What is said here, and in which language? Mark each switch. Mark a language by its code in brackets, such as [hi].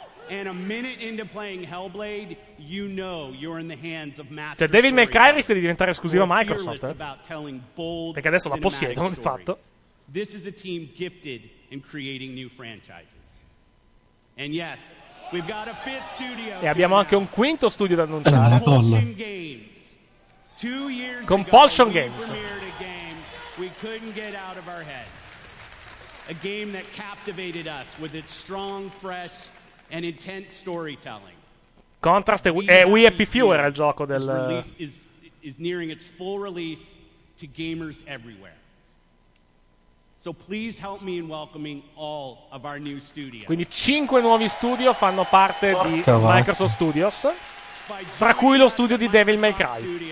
[en] And a minute into playing Hellblade, you know you're in the hands of master. [it] Cioè, David McCray rischia di diventare esclusiva Microsoft, perché adesso la possiedono di fatto. [en] This is a team gifted in creating new franchises. And yes, we've got a fifth studio. [it] E abbiamo anche un quinto studio da annunciare. [en] Compulsion Games. 2 years ago, Compulsion Games. We premiered a game we couldn't get out of our heads. A game that captivated us with its strong, fresh and intense storytelling. [it] Contrast e [en] We Happy Few [it] era il gioco del [en] is nearing its full release to gamers everywhere. So please help me in welcoming all of our new studios. [it] Quindi 5 nuovi studio fanno parte di Microsoft Studios, tra cui lo studio di Devil May Cry.